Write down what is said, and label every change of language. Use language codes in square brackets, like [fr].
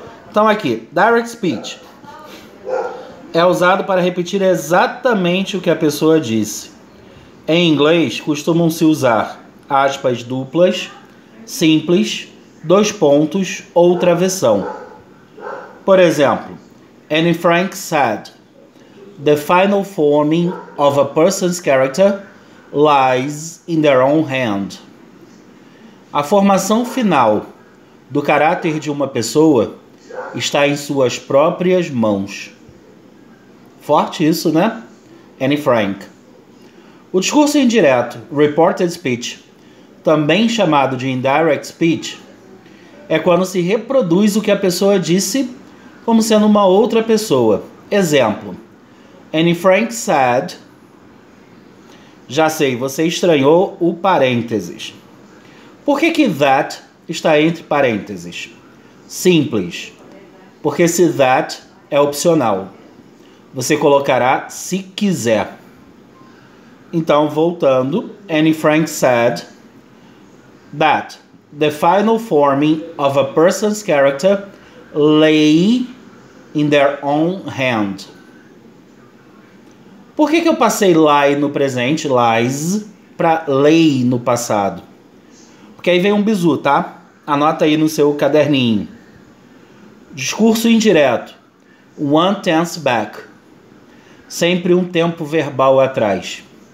[pt] Então aqui, direct speech é usado para repetir exatamente o que a pessoa disse. Em inglês, costumam-se usar aspas duplas, simples, dois pontos ou travessão. Por exemplo, [en] Anne Frank said, "The final forming of a person's character lies in their own hand." [pt] A formação final do caráter de uma pessoa está em suas próprias mãos. Forte isso, né? Anne Frank. O discurso indireto, reported speech, também chamado de indirect speech, é quando se reproduz o que a pessoa disse como sendo uma outra pessoa. Exemplo: [en] Anne Frank said. [pt] Já sei, você estranhou o parênteses. Por que que that está entre parênteses? Simples. Porque se that é opcional. Você colocará se quiser. Então, voltando, [en] Anne Frank said that the final forming of a person's character lay in their own hand. [pt] Por que que eu passei lie no presente, lies, para lay no passado? Porque aí vem um bizu, tá? Anota aí no seu caderninho. Discurso indireto. [en] One tense back. [pt] Sempre um tempo verbal atrás.